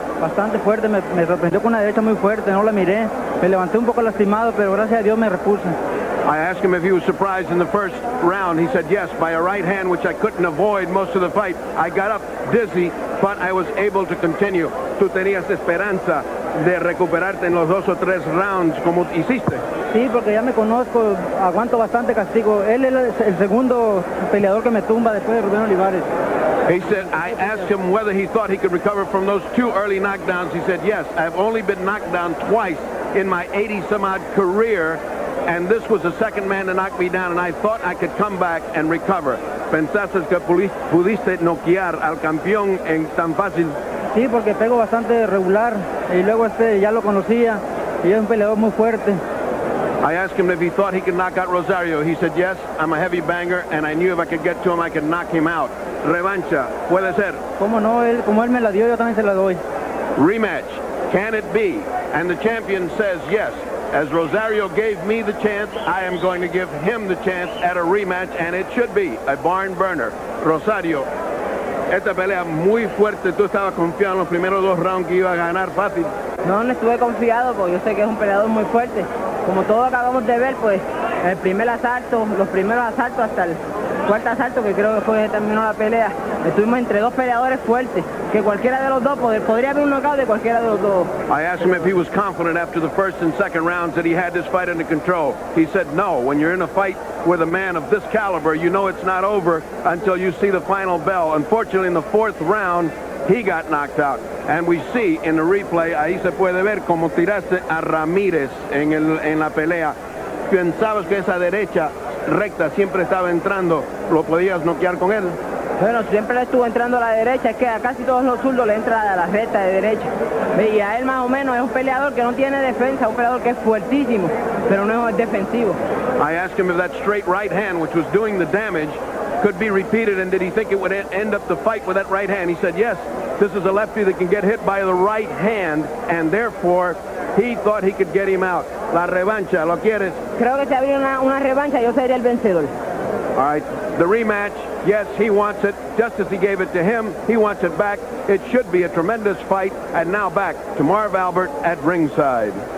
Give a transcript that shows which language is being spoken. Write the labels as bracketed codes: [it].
[es] Bastante fuerte, me sorprendió con una derecha muy fuerte, no la miré. Me levanté un poco lastimado, pero gracias a Dios me repuse. [en] I asked him if he was surprised in the first round. He said yes, by a right hand, which I couldn't avoid most of the fight. I got up dizzy, but I was able to continue. [es] ¿Tú tenías esperanza de recuperarte en los dos o tres rounds como hiciste? Sí, porque ya me conozco, aguanto bastante castigo. Él es el segundo peleador que me tumba después de Rubén Olivares. [en] He said, I asked him whether he thought he could recover from those two early knockdowns. He said, yes, I've only been knocked down twice in my 80-some-odd career, and this was the second man to knock me down, and I thought I could come back and recover. [es] ¿Pensaste que pudiste noquear al campeón en tan fácil? Sí, porque pego bastante regular, y luego este ya lo conocía, y es un peleador muy fuerte. [en] I asked him if he thought he could knock out Rosario. He said, yes, I'm a heavy banger, and I knew if I could get to him, I could knock him out. [es] Revancha, puede ser. Como no, él, como él me la dio, yo también se la doy. [en] Rematch, can it be? And the champion says yes. As Rosario gave me the chance, I am going to give him the chance at a rematch, and it should be a barn burner. [es] Rosario, esta pelea muy fuerte. Tú estabas confiado en los primeros dos rounds que iba a ganar fácil. No, no estuve confiado, porque yo sé que es un peleador muy fuerte. Como todos acabamos de ver, pues, el primer asalto, los primeros asaltos hasta el cuarto asalto, que creo que fue que terminó la pelea, estuvimos entre dos peleadores fuertes, que cualquiera de los dos podría haber un knockout de cualquiera de los dos. [en] I asked him if he was confident after the first and second rounds that he had this fight under control. He said no. When you're in a fight with a man of this caliber, you know it's not over until you see the final bell. Unfortunately, in the fourth round, he got knocked out. And we see in the replay, [es] ahí se puede ver cómo tiraste a Ramírez en la pelea. Pensabas que esa derecha recta siempre estaba entrando, lo podías noquear con él. Bueno, siempre le estuvo entrando a la derecha, es que a casi todos los zurdos le entra a la recta de derecha. Y a él más o menos es un peleador que no tiene defensa, un peleador que es fuertísimo, pero no es defensivo. [en] I asked him if that straight right hand, which was doing the damage, could be repeated, and did he think it would end up the fight with that right hand? He said yes, this is a lefty that can get hit by the right hand, and therefore he thought he could get him out. [es] La revancha, ¿lo quieres? Creo que si habría una revancha, yo sería el vencedor. [en] All right, the rematch, yes, he wants it. Just as he gave it to him, he wants it back. It should be a tremendous fight, and now back to Marv Albert at ringside.